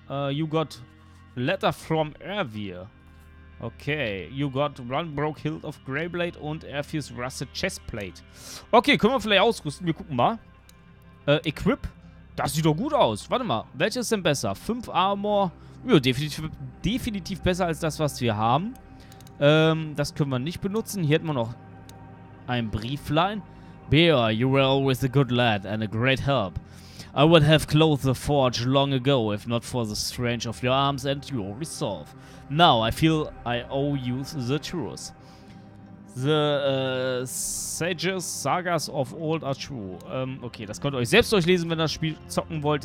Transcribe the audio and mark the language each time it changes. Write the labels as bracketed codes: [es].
[en] You got letter from Ervir. Okay, you got Runbroke Hilt of Greyblade und Airfuse Rusted Chestplate. [de] Okay, können wir vielleicht ausrüsten? Wir gucken mal. Equip? Das sieht doch gut aus. Warte mal, welches ist denn besser? 5 Armor? Ja, definitiv besser als das, was wir haben. Das können wir nicht benutzen. Hier hätten wir noch ein Brieflein. [en] Bear, you were always a good lad and a great help. I would have closed the forge long ago, if not for the strength of your arms and your resolve. Now I feel I owe you the truth. The sages, sagas of old are true. [de] Okay, das könnt ihr euch selbst durchlesen, wenn ihr das Spiel zocken wollt.